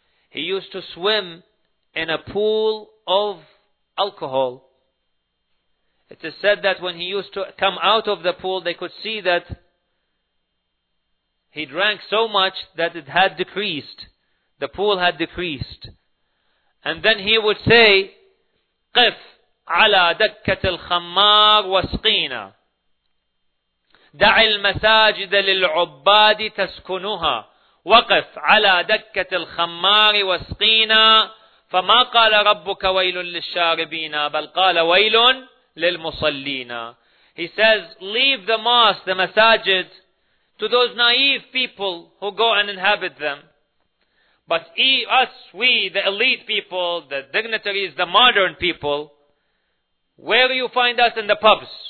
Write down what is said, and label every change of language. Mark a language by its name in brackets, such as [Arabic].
[English] He used to swim in a pool of alcohol. It is said that when he used to come out of the pool, they could see that he drank so much that it had decreased. The pool had decreased. And then he would say, [Arabic] قِفْ عَلَى دَكَّةِ الْخَمَّارِ وَسْقِينَ دَعِ الْمَسَاجِدَ لِلْعُبَّادِ تَسْكُنُهَا وَقِفْ عَلَى دَكَّةِ الْخَمَّارِ وَسْقِينَ فَمَا قَالَ رَبُّكَ وَيْلٌ لِلشَّارِبِينَ بَلْ قَالَ وَيْلٌ لِلْمُصَلِّينَ. [English] He says, leave the mosque, the masajid, to those naive people who go and inhabit them. But we, the elite people, the dignitaries, the modern people, where do you find us in the pubs?